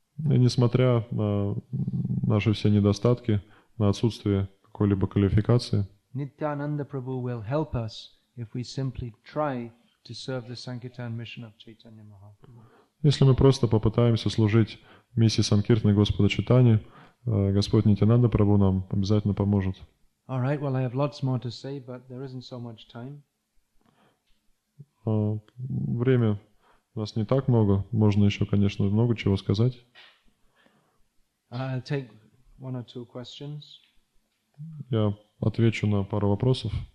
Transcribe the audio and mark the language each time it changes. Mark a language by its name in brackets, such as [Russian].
[Russian] И несмотря на наши все недостатки, на отсутствие какой-либо квалификации. [English] Nityananda Prabhu will help us if we simply try to serve the Sankirtan mission of Chaitanya Mahaprabhu. [Russian] Если мы просто попытаемся служить миссии Санкиртны Господа Чайтаньи, Господь Нитянанда Прабху нам обязательно поможет. [English] All right, well, I have lots more to say, but there isn't so much time. [Russian] Время у нас не так много. Можно еще, конечно, много чего сказать. [English] I'll take one or two questions. [Russian] Я отвечу на пару вопросов.